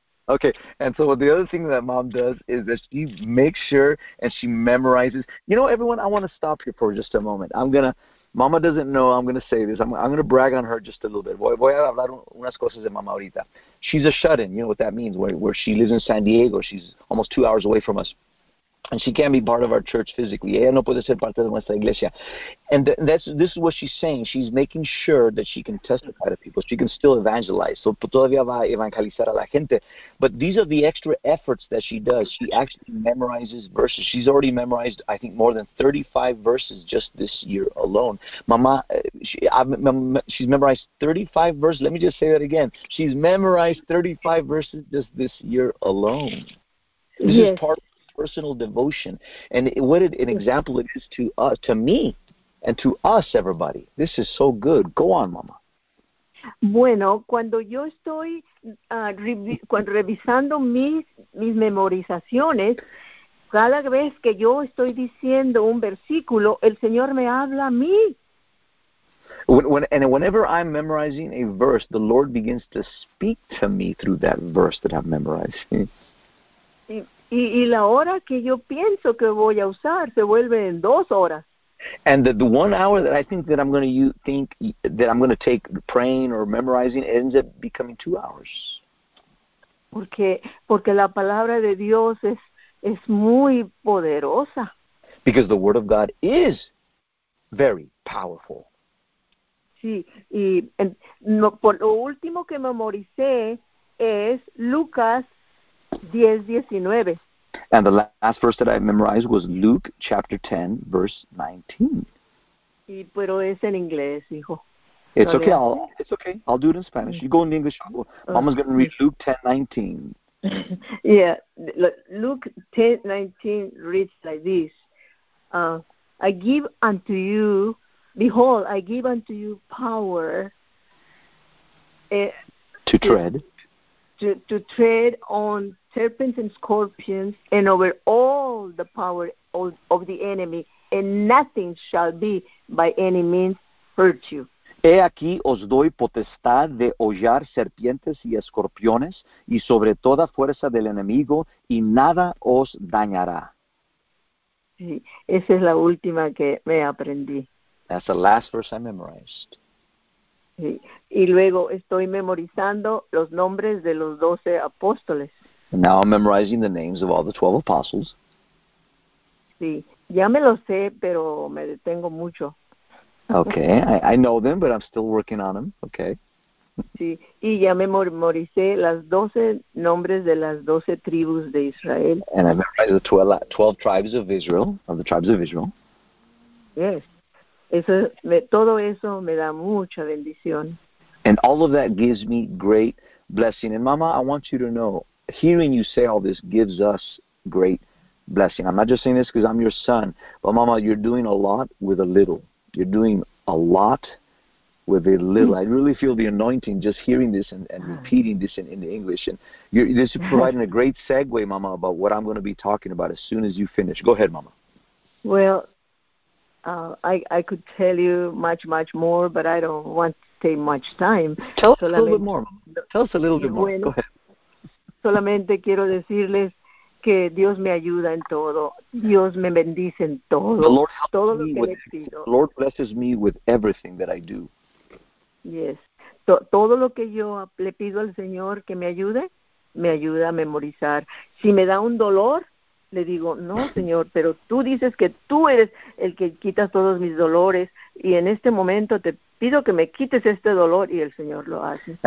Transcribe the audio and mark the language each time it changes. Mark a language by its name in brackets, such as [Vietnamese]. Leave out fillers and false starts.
[English] Okay, and so the other thing that mom does is that she makes sure and she memorizes. You know, everyone, I want to stop here for just a moment. Mama doesn't know I'm going to say this. I'm going to brag on her just a little bit. [Spanish] Voy a hablar unas cosas de mamá ahorita. [English] She's a shut-in. You know what that means, where she lives in San Diego. She's almost 2 hours away from us. And she can't be part of our church physically. [Spanish] Ella no puede ser parte de nuestra iglesia. [English] And this is what she's saying. She's making sure that she can testify to people. She can still evangelize. So [Spanish] todavía va a evangelizar a la gente. [English] But these are the extra efforts that she does. She actually memorizes verses. She's already memorized, I think, more than 35 verses just this year alone. Mama, she's memorized 35 verses. Let me just say that again. She's memorized 35 verses just this year alone. This yes. is part of personal devotion, and what an example it is to us, to me, and to us, everybody. This is so good. Go on, mama. [Spanish] Bueno, cuando yo estoy revisando mis memorizaciones, cada vez que yo estoy diciendo un versículo, el Señor me habla a mí. [English] Whenever I'm memorizing a verse, the Lord begins to speak to me through that verse that I'm memorizing. [Spanish] Y la hora que yo pienso que voy a usar se vuelve en dos horas. [English] And the one hour that I think that I'm going to take praying or memorizing ends up becoming 2 hours. [Spanish] Porque la palabra de Dios es muy poderosa. [English] Because the word of God is very powerful. [Spanish] Sí, y por lo último que memoricé es Lucas 10:19. [English] And the last verse that I memorized was Luke chapter 10, verse 19. [Spanish] Y pero es en inglés, hijo. [English] It's okay. I'll do it in Spanish. You go in English. Mama's going to read Luke 10:19. Yeah. Luke 10:19 reads like this. I give unto you, behold, I give unto you power. To tread on serpents and scorpions, and over all the power of the enemy, and nothing shall be by any means hurt you. [Spanish] He aquí os doy potestad de hollar serpientes y escorpiones y sobre toda fuerza del enemigo y nada os dañará. Sí, esa es la última que me aprendí. [English] That's the last verse I memorized. [Spanish] Sí. Y luego estoy memorizando los nombres de los 12 apóstoles. [English] Now I'm memorizing the names of all the 12 apostles. [Spanish] Sí, ya me lo sé, pero me detengo mucho. [English] Okay, I know them, but I'm still working on them, okay? [Spanish] Sí, y ya me memoricé las 12 nombres de las 12 tribus de Israel. [English] And I memorized the 12 tribes of Israel, of the tribes of Israel. Yes, [Spanish] todo eso me da mucha bendición. [English] And all of that gives me great blessing. And Mama, I want you to know, hearing you say all this gives us great blessing. I'm not just saying this because I'm your son, but Mama, you're doing a lot with a little. You're doing a lot with a little. I really feel the anointing just hearing this and repeating this in English. And this is providing a great segue, Mama, about what I'm going to be talking about as soon as you finish. Go ahead, Mama. Well, I could tell you much, much more, but I don't want to take much time. Tell us a little bit more, Mama. Tell us a little bit more. Go ahead. [Spanish] Solamente quiero decirles que Dios me ayuda en todo. Dios me bendice en todo. Todo lo que le pido. [English] The Lord blesses me with everything that I do. Yes. [Spanish] Todo lo que yo le pido al Señor que me ayuda a memorizar. Si me da un dolor, le digo, no, Señor, pero tú dices que tú eres el que quitas todos mis dolores y en este momento te pido que me quites este dolor y el Señor lo hace.